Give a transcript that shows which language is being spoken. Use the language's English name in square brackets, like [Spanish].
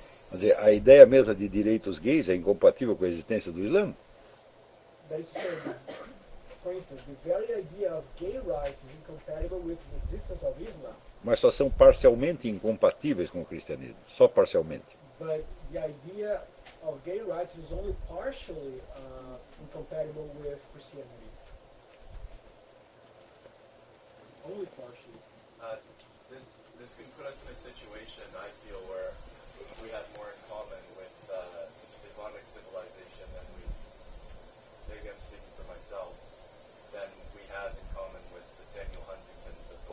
[Portuguese] Quer dizer, a ideia mesmo de direitos gays é incompatível com a existência do Islã? [English] That is to say, for instance, the very idea of gay rights is incompatible with the existence of Islam. [Portuguese] Mas só são parcialmente incompatíveis com o cristianismo, só parcialmente. [English] But the idea of gay rights is only partially incompatible with Christianity. Only partially. This can put us in a situation, I feel, where we have more in common with Islamic civilization than we, maybe I'm speaking for myself, than we have in common with the Samuel Huntington's of the